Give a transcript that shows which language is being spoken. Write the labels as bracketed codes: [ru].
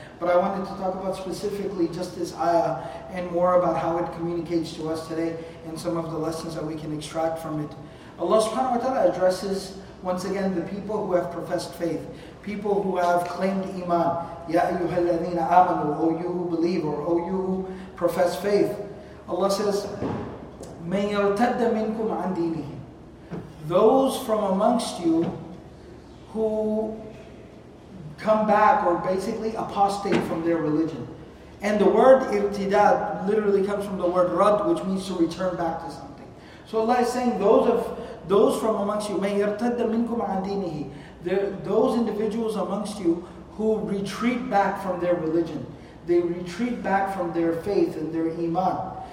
[en] But I wanted to talk about specifically just this ayah and more about how it communicates to us today and some of the lessons that we can extract from it. Allah subhanahu wa ta'ala addresses, once again, the people who have professed faith, people who have claimed iman. [ar] Ya ayyuhal ladhina amanu, [en] O you who believe, or O you who profess faith. Allah says, [ar] مَنْ يَرْتَدَّ مِنْكُمْ عَنْ دِينِهِ. [en] Those from amongst you who come back, or basically apostate from their religion. And the word irtidad literally comes from the word rad, which means to return back to something. So Allah is saying, those from amongst you, [ar] may yartadda minkum an dinihi, [en] those individuals amongst you who retreat back from their religion, they retreat back from their faith and their iman.